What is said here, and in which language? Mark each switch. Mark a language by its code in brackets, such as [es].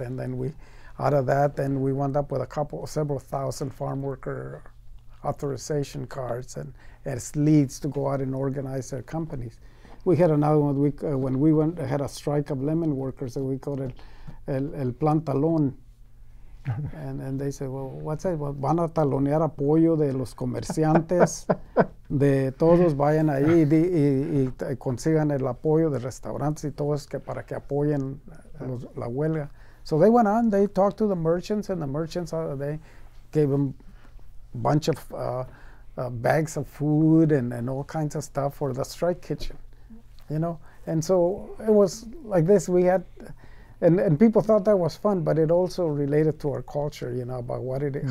[en] And then we, out of that, then we wound up with several thousand farm worker authorization cards and as leads to go out and organize their companies. We had another one when we went, had a strike of lemon workers that we called El Plantalón. And they said, well, what's that? [es] Well, van a talonear apoyo de los comerciantes, de todos vayan ahí y consigan el apoyo de restaurantes y todos que para que apoyen la huelga. [en] So they went on, they talked to the merchants, and the merchants, they gave them a bunch of bags of food and all kinds of stuff for the strike kitchen, you know? And so it was like this, we had, And people thought that was fun, but it also related to our culture, you know, about what it, mm-hmm.